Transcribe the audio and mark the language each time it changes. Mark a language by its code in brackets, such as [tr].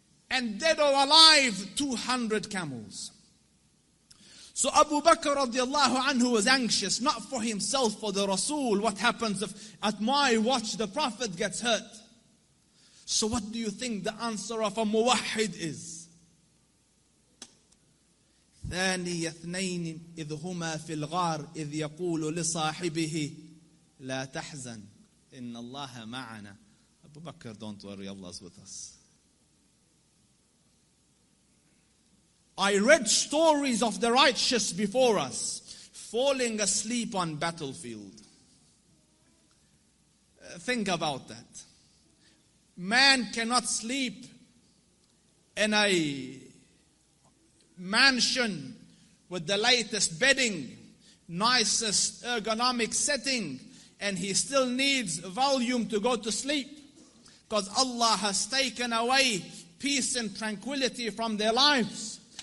[en] And dead or alive, 200 camels. So Abu Bakr radiallahu anhu was anxious, not for himself, for the Rasul. What happens if at my watch the Prophet gets hurt? So what do you think the answer of a muwahhid is? [ar] ثاني اثنين إذ هما في الغار إذ يقول لصاحبه لا تحزن إن الله معنا. [en] Abu Bakr, don't worry, Allah is with us. I read stories of the righteous before us falling asleep on battlefield. Think about that. Man cannot sleep in a mansion with the latest bedding, nicest ergonomic setting, and he still needs volume to go to sleep because Allah has taken away peace and tranquility from their lives.